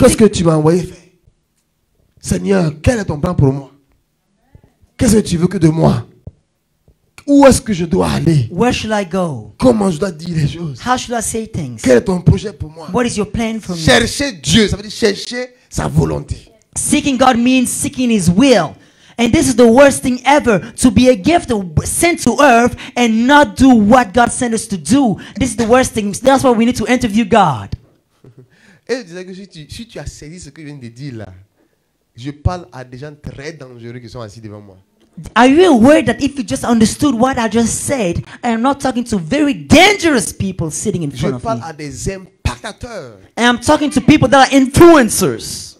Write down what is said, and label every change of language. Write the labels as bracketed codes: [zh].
[fr] Qu'est-ce que tu m'as envoyé faire? Seigneur, quel est ton plan pour moi? Qu'est-ce que tu veux que de moi? Où est-ce que je dois aller? [en] Where should I go? [fr] Comment je dois dire les choses? [en] How should I say things? [fr] Quel est ton projet pour moi? [en] What is your plan for me? [fr] Chercher Dieu, ça veut dire chercher sa volonté. [en] Seeking God means seeking His will. And this is the worst thing ever, to be a gift sent to earth and not do what God sent us to do. This is the worst thing. That's why we need to interview God. [fr] Et je disais que si tu as saisi ce que je viens de dire là, je parle à des gens très dangereux qui sont assis devant moi. [en] Are you aware that if you just understood what I just said, I am not talking to very dangerous people sitting in front of me. [fr] Je parle à des impactateurs. [en] And I'm talking to people that are influencers.